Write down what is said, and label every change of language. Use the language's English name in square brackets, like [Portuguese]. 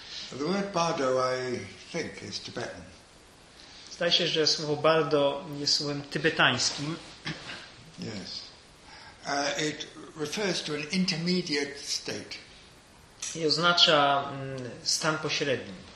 [English] The word bardo, I think, is Tibetan. [Polish] Zdaje się, że słowo bardo jest słowem tybetańskim. [English] Yes. It refers to an intermediate state. [Polish] I oznacza stan pośredni.